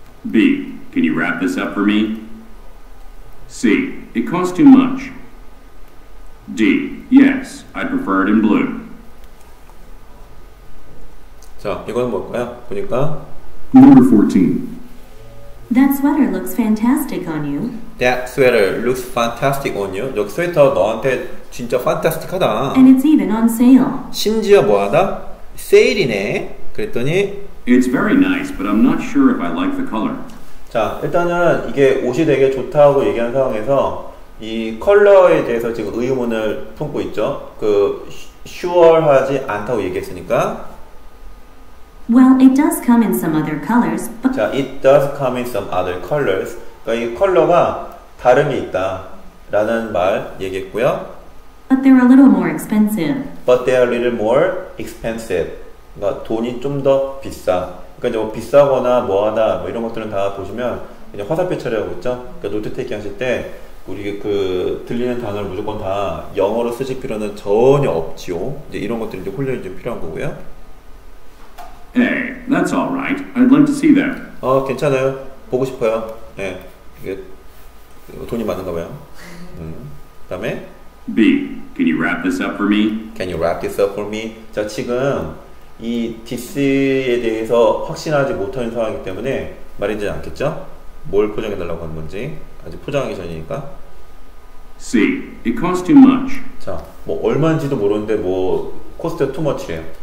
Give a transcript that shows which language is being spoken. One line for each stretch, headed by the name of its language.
English: B, can you wrap this up for me? C, it costs too much. D, yes, I'd prefer it in blue.
Korean: 자, 이건 뭘까요? 보니까
English: Number 14. That sweater looks fantastic on you. That sweater looks fantastic on you.
Korean: 저 스웨터 너한테 진짜 fantastic하다.
English: And it's even on sale.
Korean: 심지어 뭐하다? 세일이네. 그랬더니
English: It's very nice, but I'm not sure if I like the color.
Korean: 자, 일단은 이게 옷이 되게 좋다고 얘기한 상황에서 이 컬러에 대해서 지금 의문을 품고 있죠. 그 sure하지 않다고 얘기했으니까
English: Well, it does come in some other colors. But
Korean: 자,
English: it does come in some other colors.
Korean: 그러니까 이 컬러가 다른 게 있다라는 말 얘기했고요.
English: But they're a little more expensive. But they are a little more expensive.
Korean: 그러니까 돈이 좀 더 비싸. 그러니까 이제 뭐 비싸거나 뭐하다 뭐 이런 것들은 다 보시면 이제 화살표 처리하고 있죠. 그러니까 노트 테이킹 하실 때 우리 들리는 단어를 무조건 다 영어로 쓰실 필요는 전혀 없지요. 이제 이런 것들이 이제 훈련이 좀 필요한 거고요.
English: Hey, that's all right. I'd like to see them.
Korean: 어, 괜찮아요. 보고 싶어요. 예. 네. 이게 돈이 많은가 봐요. 다음에
English: B, can you wrap this up for me? Can you wrap this up for me?
Korean: 자, 지금 이 DC에 대해서 확신하지 못하는 상황이기 때문에 말인지 않겠죠? 뭘 포장해 달라고 하는 건지 아직 포장하기 전이니까.
English: C, it costs too much.
Korean: 자, 뭐 얼마인지도 모르는데 뭐
English: cost too much
Korean: 래요.